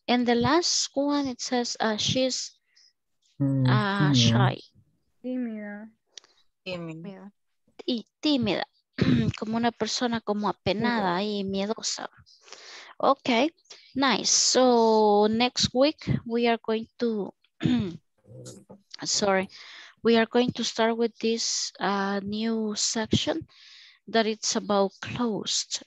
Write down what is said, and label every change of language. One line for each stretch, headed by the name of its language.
English: And the last one, it says she's shy.
Spanish: Tímida. Tímida. Y tímida, como una persona como apenada y miedosa.
English: Okay, nice. So next week we are going to, sorry, we are going to start with this new section that it's about closed.